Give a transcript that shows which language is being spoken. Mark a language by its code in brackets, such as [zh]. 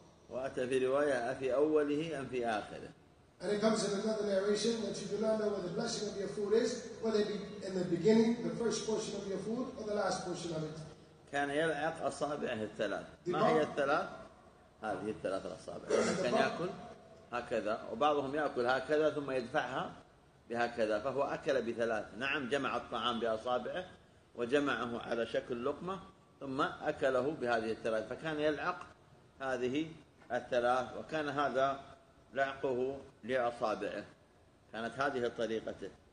[ar] وأتى في رواية أفي أوله أم في آخره. [en] And it comes in another narration that you do not know where the blessing of your food is, whether it be in the beginning, the first portion of your food, or the last portion of it. [ar] كان يلعق أصابعه الثلاث. ما هي الثلاث؟ هذه الثلاث الأصابع. كان يأكل هكذا، وبعضهم يأكل هكذا ثم يدفعها بهكذا، فهو أكل بثلاث. نعم، جمع الطعام بأصابعه وجمعه على شكل لقمة ثم أكله بهذه الثلاث، فكان يلعق هذه الثلاث، وكان هذا لعقه لأصابعه، كانت هذه طريقته.